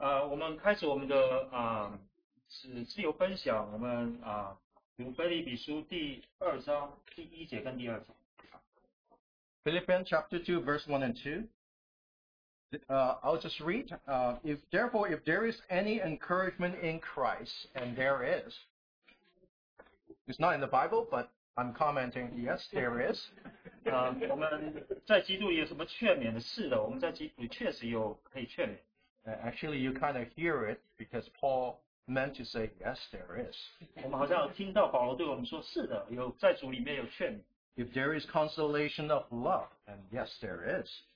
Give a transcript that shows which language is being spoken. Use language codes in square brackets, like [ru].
[zh] 我们开始我们的自由分享，我们读腓立比书第二章第一节跟第二节。Philippians [en] chapter 2, verse 1 and 2. I'll just read. If there is any encouragement in Christ, and there is, it's not in the Bible, but I'm commenting, yes, there is. [zh] 我们在基督有什么劝勉的？是的，我们在基督确实有可以劝勉。 [en] Actually, you kind of hear it because Paul meant to say, yes, there is. [zh] 我们好像听到保罗对我们说，是的，有在主里面有劝勉。 [en] If there is consolation of love, and yes, there is.